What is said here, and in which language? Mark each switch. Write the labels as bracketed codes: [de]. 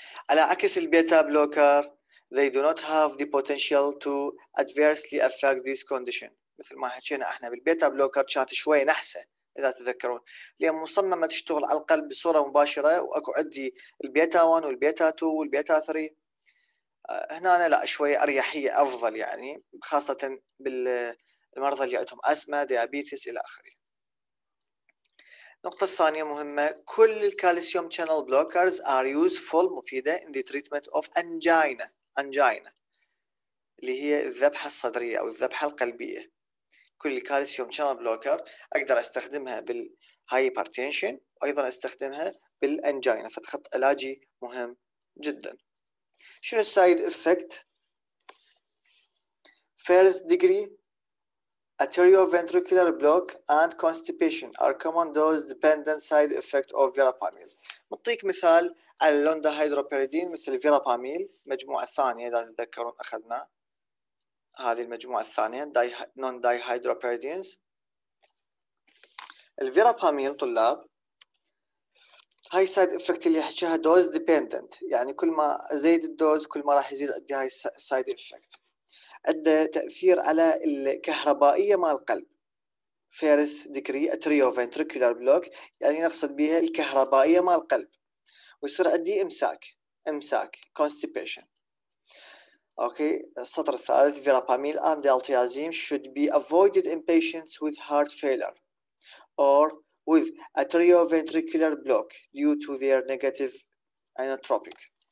[ar] على عكس البيتا بلوكر [en] they do not have the potential to adversely affect this condition. [ar] مثل ما حكينا احنا بالبيتا بلوكر كانت شوي نحسه اذا تذكرون، لان مصممه تشتغل على القلب بصوره مباشره، واكو عندي البيتا 1 والبيتا 2 والبيتا 3. هنا أنا لا شوي اريحيه افضل، يعني خاصه بالمرضى اللي عندهم اسما ديابيتس الى اخره. النقطة الثانية مهمة، كل الكالسيوم شانل بلوكرز [en] are useful, [ar] مفيدة [en] in the treatment of angina, [ar] اللي هي الذبحة الصدرية او الذبحة القلبية. كل الكالسيوم شانل بلوكر اقدر استخدمها بالهايبرتنشن وايضا استخدمها بالانجينا، فتخط علاجي مهم جدا. شنو السايد افكت؟ [en] First degree arterioventricular block and constipation are common dose dependent side effect of verapamil. [ar] نعطيك مثال على اللوندا هيدروبيريدين مثل فيراباميل، المجموعة الثانية إذا تذكرون أخذنا هذه المجموعة الثانية نون داي هيدروبيريدينز. الفيراباميل طلاب هاي سايد افكت اللي حكيها دوز ديبندنت، يعني كل ما زيد الدوز كل ما راح يزيد عندي هاي سايد افكت. عند تأثير على الكهربائية مع القلب [en] first degree atrioventricular block، [ar] يعني نقصد بها الكهربائية مع القلب، ويصير عندي امساك constipation. اوكي السطر الثالث [en] Verapamil and diltiazem should be avoided in patients with heart failure or with atrioventricular block due to their negative inotropic.